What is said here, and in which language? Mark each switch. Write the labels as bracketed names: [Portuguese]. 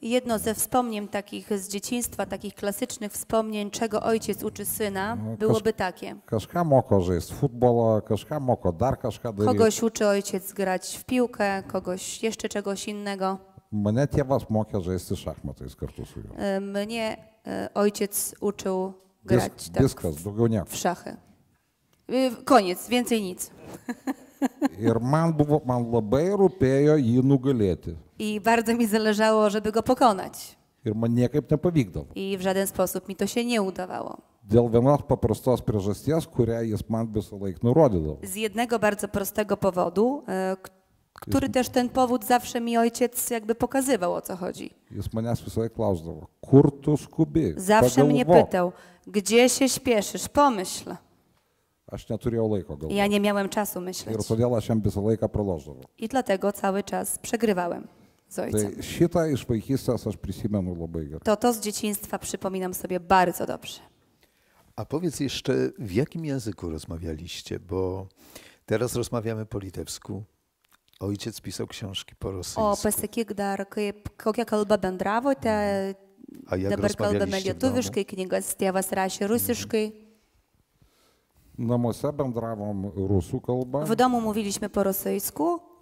[Polish] Jedno ze wspomnień takich z dzieciństwa, takich klasycznych wspomnień, czego ojciec uczy syna, byłoby takie. [Lithuanian] Kažką moko žaist futbolą, kažką moko dar kažką daryti. [Polish] Kogoś uczy ojciec grać w piłkę, kogoś jeszcze czegoś innego. Mnie [Lithuanian] tėvas mokė žaisti šachmatais kartu su juo. [Polish] Mnie ojciec uczył grać w szachy. Koniec, więcej nic. [Lithuanian] Ir man labai rūpėjo jį nugalėti. [Polish] I bardzo mi zależało, żeby go pokonać. [Lithuanian] Ir man niekaip nepavykdavo. [Polish] I w żaden sposób mi to się nie udawało. [Lithuanian] Dėl vienos paprastos priežasties, kurią jis man visą laiką nurodydavo. [Polish] Z jednego bardzo prostego powodu, który też ten powód zawsze mi ojciec jakby pokazywał, o co chodzi. [Lithuanian] Jis manęs visą laiką klausdavo, kur tu skubi? [Polish] Zawsze mnie pytał, gdzie się śpieszysz, pomyśl. [Lithuanian] Aš neturėjau laiko galvoti. [Polish] Ja nie miałem czasu myśleć. [Lithuanian] Ir todėl aš jam visą laiką praloždavau. [Polish] I dlatego cały czas przegrywałem z ojcem. [Lithuanian] Tai šitą iš vaikystės aš prisimenu labai gerai. [Polish] To z dzieciństwa przypominam sobie bardzo dobrze. A powiedz jeszcze, w jakim języku rozmawialiście? Bo teraz rozmawiamy po litewsku. Ojciec pisał książki po rosyjsku. [Lithuanian] O, pasakyk dar, kokia kalba bendravo, te... [Polish] A jak rozmawialiście w [Lithuanian] lietuviškai, knygas tėvas rašė rusiškai. Namuose bendravom rusų kalbą. [Polish] W domu mówiliśmy po rosyjsku.